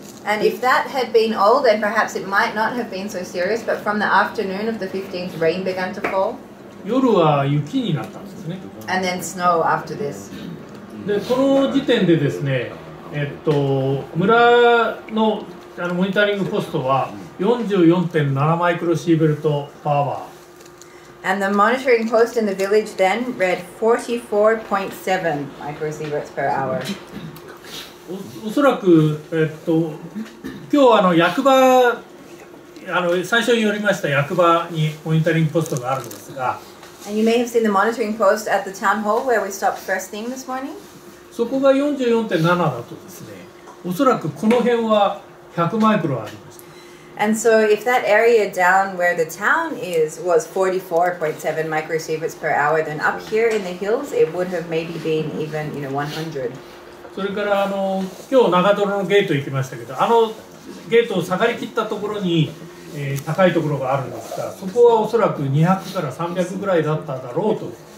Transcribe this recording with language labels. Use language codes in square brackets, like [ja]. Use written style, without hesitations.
[en] And if that had been all, then perhaps it might not have been so serious, but from the afternoon of the 15th, rain began to fall. [ja] 夜は雪になったんですね。 [en] And then snow after this. [ja] で、この時点でですね、村の、あのモニタリングポストは 44.7 マイクロシーベルトパワー。 [en] And the monitoring post in the village then read 44.7 microsieverts per hour. [ja] おそらく、今日あの役場、あの最初によりました役場にモニタリングポストがあるんですが。 [en] And you may have seen the monitoring post at the town hall where we stopped first thing this morning. [ja] そこが 44.7 だとですね、おそらくこの辺は100マイクロある。 [en] And so if that area down where the town is was 44.7 microsieverts per hour, then up here in the hills, it would have maybe been even, you know, 100. [ja] それからあの今日長泥のゲート行きましたけど、あのゲートを下がりきったところに、高いところがあるんですが、そこはおそらく200から300ぐらいだっただろうと。